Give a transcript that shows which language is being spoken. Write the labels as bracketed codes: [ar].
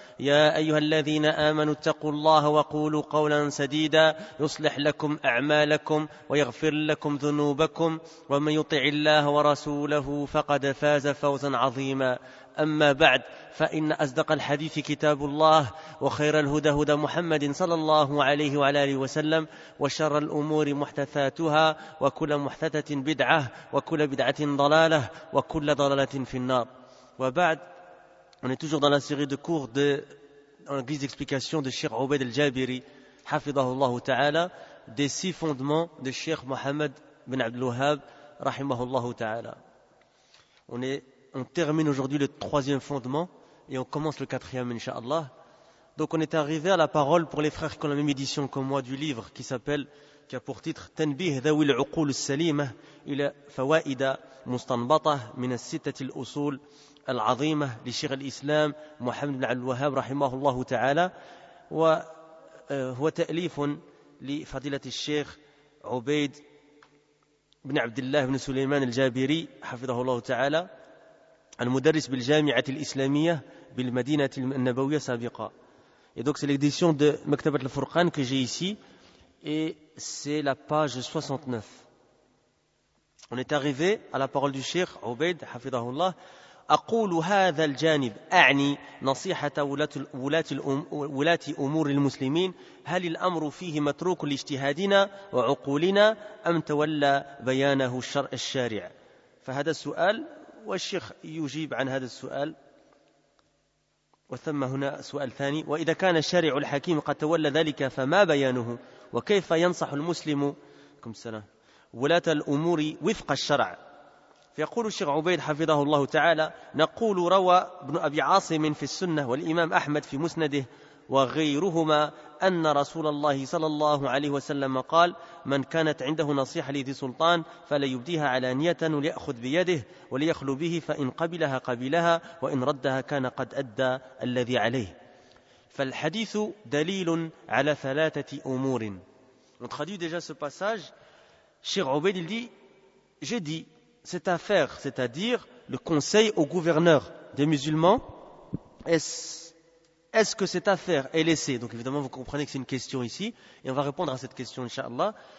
[ar] يا أيها الذين آمنوا اتقوا الله وقولوا قولا سديدا يصلح لكم أعمالكم ويغفر لكم ذنوبكم، ومن يطع الله ورسوله فقد فاز فوزا عظيما. أما بعد، فإن أصدق الحديث كتاب الله، وخير الهدى هدى محمد صلى الله عليه وعلى آله وسلم، وشر الأمور محدثاتها، وكل محدثة بدعة، وكل بدعة ضلالة، وكل ضلالة في النار. وبعد، [fr] on est toujours dans la série de cours de en guise d'explication de Cheikh Obaid al-Jabiri, [ar] حفظه الله تعالى, [fr] des six fondements de Cheikh Mohammed bin Abdul Wahhab, [ar] رحمه الله تعالى. [fr] On termine aujourd'hui le troisième fondement et on commence le quatrième, inshallah. Donc on est arrivé à la parole pour les frères qui ont la même édition que moi du livre qui s'appelle, qui a pour titre « Tanbih dhawi al-uqul al-salima ila fawaida mustanbata min al-sittati al-usul al-azima li shaykh al-islam Muhammad ibn al-Wahhab rahimahullahu ta'ala » wa [ar] huwa ta'lifun li fadilati shaykh Ubaid ibn Abdullah ibn Sulayman al-Jabiri hafidhahullahu ta'ala المدرس بالجامعة الإسلامية بالمدينة النبوية سابقا. [fr] Et donc c'est l'édition de Maktabat al-Furqan que j'ai ici et c'est la page 69. On est arrivé à la parole du Cheikh Ubaid [ar] حفظه الله. أقول هذا الجانب أعني نصيحة ولاة أمور المسلمين، هل الأمر فيه متروك لاجتهادنا وعقولنا أم تولى بيانه الشرع الشارع؟ فهذا السؤال والشيخ يجيب عن هذا السؤال، وثم هنا سؤال ثاني، وإذا كان الشارع الحكيم قد تولى ذلك فما بيانه وكيف ينصح المسلم ولاة الأمور وفق الشرع؟ فيقول الشيخ عبيد حفظه الله تعالى: نقول روى ابن أبي عاصم في السنة والإمام أحمد في مسنده وغيرهما أن رسول الله صلى الله عليه وسلم قال: من كانت عنده نصيحة لذي سلطان فليبديها علانية وليأخذ بيده وليخلو به، فإن قبلها قبلها وإن ردها كان قد أدى الذي عليه. فالحديث دليل على ثلاثة أمور. [fr] نتخدي déjà ce passage. Cheikh Ubaid il dit: j'ai dit cette affaire, c'est-à-dire le conseil au gouverneur des musulmans, est-ce que cette affaire est laissée? Donc évidemment, vous comprenez que c'est une question ici, et on va répondre à cette question, inshallah.